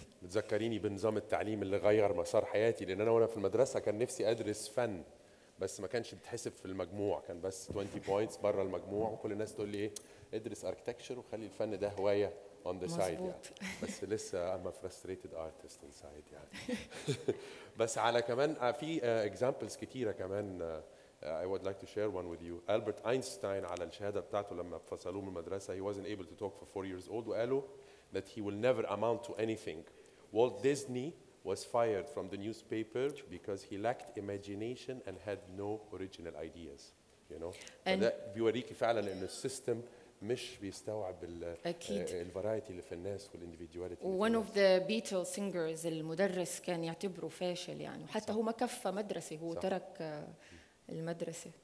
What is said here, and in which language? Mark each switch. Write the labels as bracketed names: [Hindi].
[Arabic] بتذكريني بنظام التعليم اللي غير مسار حياتي، لأن أنا وأنا في المدرسة كان نفسي أدرس فن، بس ما كانش بتحسب في المجموع، كان بس 20 بوينتس برا المجموع، وكل الناس تقول لي ايه ادرس اركتكتشر وخلي الفن ده هوايه [English] on the side [Arabic] يعني، بس لسه [English] I'm frustrated artist inside [Arabic] يعني. بس على كمان في اكزامبلز كتيره كمان. [English] I would like to share one with you. Albert Einstein [Arabic] على الشهاده بتاعته لما فصلوه من المدرسه، [English] he wasn't able to talk for 4 years old، وقالوا that he will never amount to anything. Walt Disney was fired from the newspaper because he lacked imagination and had no original ideas. You know, and that [Arabic] بيوريكي فعلا ان السيستم مش بيستوعب الفرايتي اللي في الناس والانديفيدواليتي. [English] One of the Beatles singers [Arabic] المدرس كان يعتبره فاشل يعني، وحتى هو ما كفى مدرسه، هو ترك المدرسه.